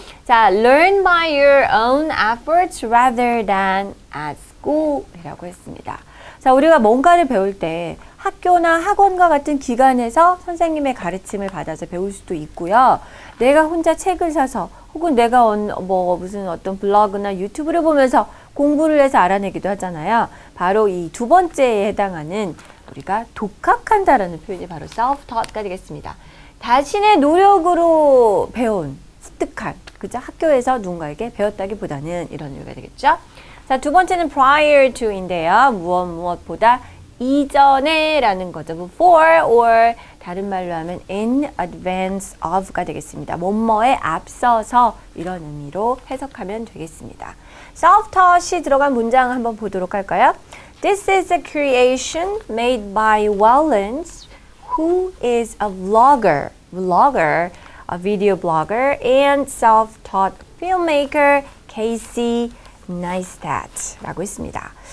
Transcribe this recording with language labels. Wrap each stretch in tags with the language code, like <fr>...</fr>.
<ko>자,</ko> <en>learn by your own efforts rather than at school</en> <ko>이라고 했습니다. 자, 우리가 뭔가를 배울 때 학교나 학원과 같은 기관에서 선생님의 가르침을 받아서 배울 수도 있고요. 내가 혼자 책을 사서 혹은 내가 무슨 어떤 블로그나 유튜브를 보면서 공부를 해서 알아내기도 하잖아요. 바로 이 두 번째에 해당하는 우리가 독학한다라는 표현이 바로 self-taught가 되겠습니다. 자신의 노력으로 배운, 습득한, 그죠? 학교에서 누군가에게 배웠다기보다는 이런 의미가 되겠죠? 자, 두 번째는 prior to인데요. 무엇보다 이전에 라는 거죠.</ko> <en>before or</en> <ko>다른 말로 하면</ko> <en>in advance of가</en> <ko>되겠습니다. 뭐뭐에 앞서서 이런 의미로 해석하면 되겠습니다. self-taught이 들어간 문장 한번 보도록 할까요?</ko> <en>This is a creation made by Wellens, who is a vlogger, a video blogger, and self-taught filmmaker Casey Neistat</en> <ko>라고 했습니다.</ko>